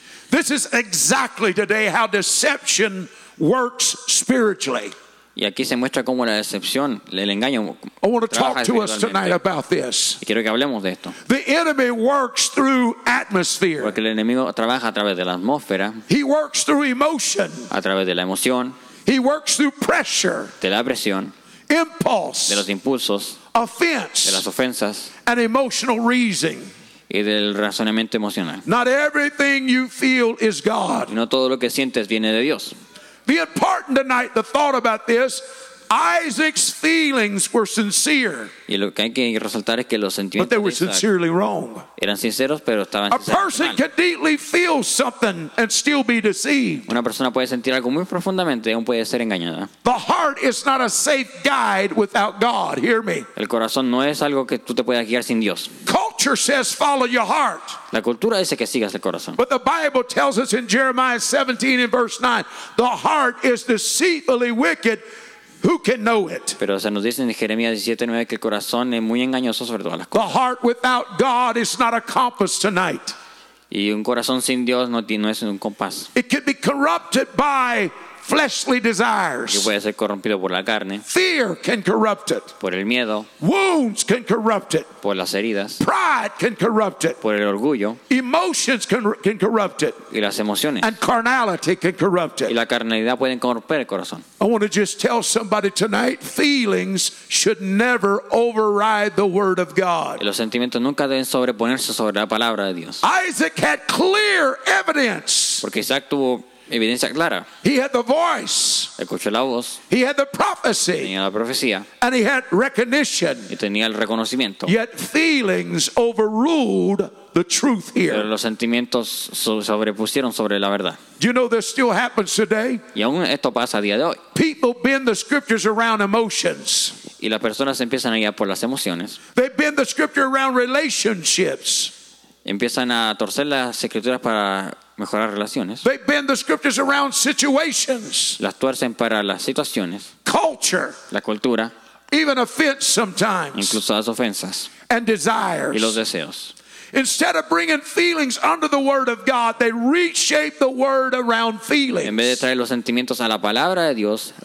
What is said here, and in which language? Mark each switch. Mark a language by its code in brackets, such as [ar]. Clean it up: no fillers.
[en] This is exactly today how deception works spiritually. [es] Y aquí se muestra cómo la decepción, el engaño. [en] I want to talk to us tonight about this. [es] Y quiero que hablemos de esto. [en] The enemy works through atmosphere. [es] Porque el enemigo trabaja a través de la atmósfera. [en] He works through emotion. [es] A través de la emoción. [en] He works through pressure. [es] De la presión. [en] Impulse. [es] De los impulsos. [en] Offense. [es] De las ofensas. [en] And emotional reasoning. [es] Y del razonamiento emocional. [en] Not everything you feel is God. [es] No todo lo que sientes viene de Dios. [en] Be important tonight, the thought about this. Isaac's feelings were sincere. [es] Y lo que hay que resaltar es que los sentimientos. [en] But they were sincerely wrong. [es] Eran sinceros, pero estaban. [en] A person can deeply feel something and still be deceived. [es] Una persona puede sentir algo muy profundamente y aún puede ser engañada. [en] The heart is not a safe guide without God. Hear me. [es] El corazón no es algo que tú te puedas guiar sin Dios. [en] Culture says follow your heart. [es] La cultura dice que sigas el corazón. [en] But the Bible tells us in Jeremiah 17 and verse 9, the heart is deceitfully wicked. Who can know it? [es] Pero se nos dice en Jeremías 17:9 que el corazón es muy engañoso sobre todas las cosas. [en] The heart without God is not a compass tonight. [es] Y un corazón sin Dios no es un compás. [en] It can be corrupted by fleshly desires. [es] Yo puede ser corrompido por la carne. [en] Fear can corrupt it. [es] Por el miedo. [en] Wounds can corrupt it. [es] Por las heridas. [en] Pride can corrupt it. [es] Por el orgullo. [en] Emotions can corrupt it. [es] Y las emociones. [en] And carnality can corrupt it. [es] Y la carnalidad pueden corromper el corazón. [en] I want to just tell somebody tonight, feelings should never override the word of God. [es] Los sentimientos nunca deben sobreponerse sobre la palabra de Dios. [en] Isaac had clear evidence. [es] Porque Isaac tuvo evidencia clara. [en] He had the voice. [es] Escuchó la voz. [en] He had the prophecy. [es] Tenía la profecía. [en] And he had recognition. [es] Y tenía el reconocimiento. [en] Yet feelings overruled the truth here. [es] Pero los sentimientos sobrepusieron sobre la verdad. [en] Do you know this still happens today? [es] Y aún esto pasa a día de hoy. [en] People bend the scriptures around emotions. [es] Y las personas empiezan a guiar por las emociones. [en] They bend the scripture around relationships. [es] Empiezan a torcer las escrituras para mejorar relaciones. [en] They bend the scriptures around situations. [es] Las tuercen para las situaciones. [en] Culture. [es] La cultura. [en] Even offense sometimes. [es] Incluso las ofensas. [en] And desires. [es] Y los deseos. [en] Instead of bringing feelings under the word of God, they reshape the word around feelings. [es] En vez de traer los sentimientos a la palabra de Dios.